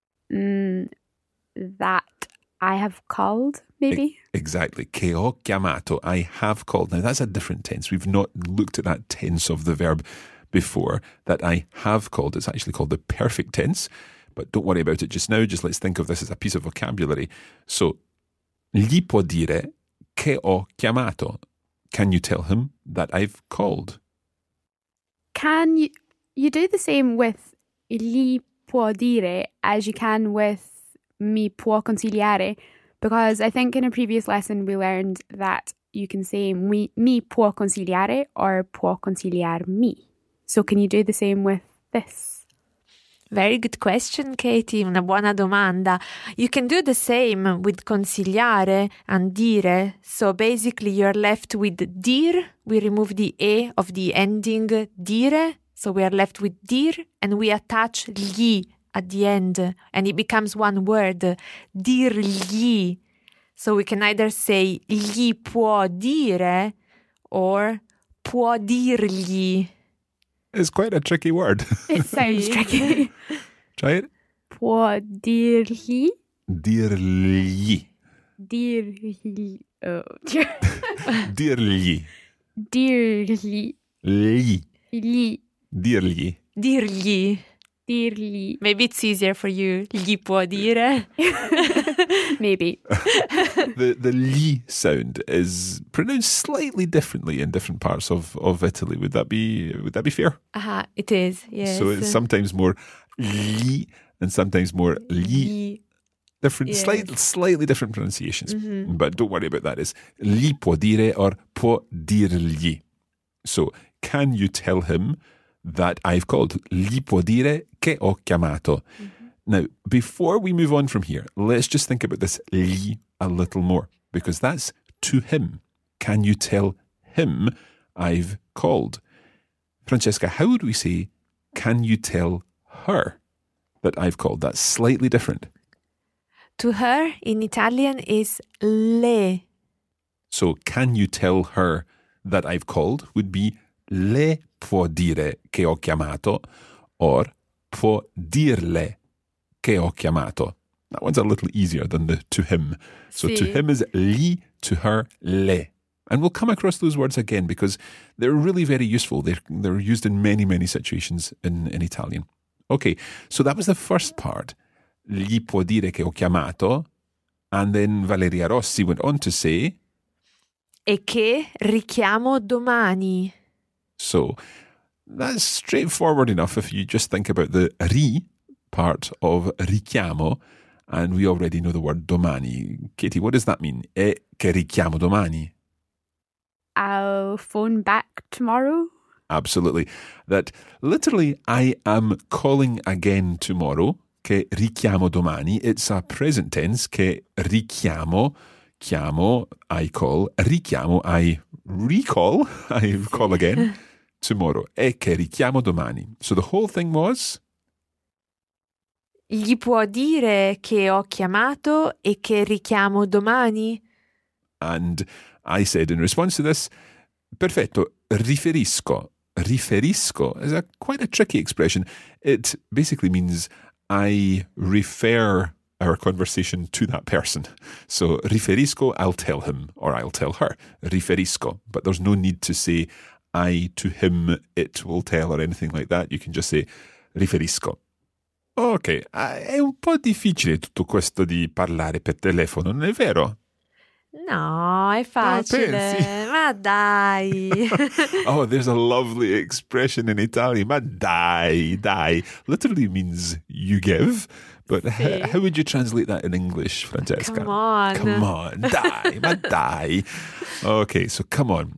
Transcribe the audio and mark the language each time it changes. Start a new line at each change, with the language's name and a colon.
English: That I have called. Maybe. Exactly.
Italian: Che ho chiamato.
English: I have called. Now, that's a different tense. We've not looked at that tense of the verb before, that I have called. It's actually called the perfect tense. But don't worry about it just now. Just let's think of this as a piece of vocabulary.
Italian: So, gli può dire che ho chiamato.
English: Can you tell him that I've called? Can you do the same with
Italian: gli può dire
English: as you can with
Italian: mi può consigliare?
English: Because I think in a previous lesson we learned that you can say
Italian: mi può consigliare
English: or
Italian: può consigliarmi.
English: So can you do the same with this? Very good question, Katie.
Italian: Una buona domanda.
English: You can do the same with consigliare and dire. So basically you're left with dir. We remove the e of the ending dire. So we are left with dir and we attach gli at the end, and it becomes one word, dirgli. So we can either say
Italian: gli può dire
English: or
Italian: può dirgli.
English: It's quite a tricky word. It sounds tricky. Try it.
Italian: Può dirgli. Dirgli. Dirgli. Dirgli. Dirgli. Gli. Dirgli. Dirgli. Dirgli.
English: Maybe it's easier for you.
Italian: Gli può dire.
English: Maybe. The gli sound is pronounced slightly differently in different parts of Italy. Would that be fair? It is, yes. So it's sometimes more gli and sometimes more gli. different, yes. slightly different pronunciations, mm-hmm. but don't worry about that. It's
Italian: gli può dire
English: or
Italian: può dirgli.
English: So, can you tell him that I've called?
Italian: Gli può dire che ho chiamato. Mm-hmm.
English: Now, before we move on from here, let's just think about this gli a little more, because that's to him. Can you tell him I've called? Francesca, how would we say, can you tell her that I've called? That's slightly different. To her, in Italian, is le. So, can you tell her that I've called would be
Italian: le può dire che ho chiamato,
English: or
Italian: può dirle che ho chiamato.
English: That one's a little easier than the to him. So, si. To him is gli, to her, le. And we'll come across those words again because they're really very useful. They're used in many, many situations in Italian. Okay, so that was the first part.
Italian: Gli può dire che ho chiamato.
English: And then Valeria Rossi went on to say...
Italian: E che richiamo domani.
English: So, that's straightforward enough if you just think about the ri part of richiamo. And we already know the word domani. Katie, what does that mean?
Italian: E che richiamo domani.
English: I'll phone back tomorrow. Absolutely. That literally, I am calling again tomorrow,
Italian: che richiamo domani.
English: It's a present tense, che richiamo, chiamo, I call, richiamo, I recall, I call again, tomorrow.
Italian: E che richiamo domani.
English: So the whole thing was?
Italian: Gli può dire che ho chiamato e che richiamo domani.
English: And I said in response to this,
Italian: perfetto, riferisco.
English: Riferisco is quite a tricky expression. It basically means I refer our conversation to that person. So riferisco, I'll tell him or I'll tell her. Riferisco. But there's no need to say I to him, it will tell or anything like that. You can just say riferisco.
Italian: Ok, è un po' difficile tutto questo di parlare per telefono, non è vero? No, è facile. Ma dai.
English: Oh, there's a lovely expression in Italian.
Italian: Ma dai, dai.
English: Literally means you give. But how would you translate that in English, Francesca? Come on. Come on.
Italian: Dai, ma dai.
English: Okay, so come on.